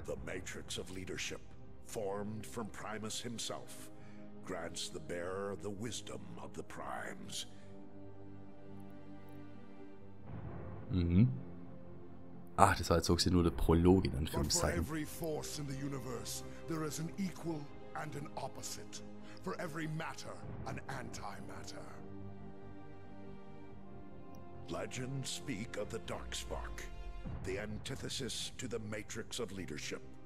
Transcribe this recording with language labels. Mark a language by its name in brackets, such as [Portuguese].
[English] The Matrix of Leadership, formed from Primus himself, grants the bearer the wisdom of the Primes. Mhm. [German] Ach, das war jetzt sogar nur der Prolog in Anführungszeichen. [English] For every force in the universe, there is an equal and an opposite. For every matter, an antimatter. Legends speak of the Darkspark, the antithesis to the Matrix of Leadership.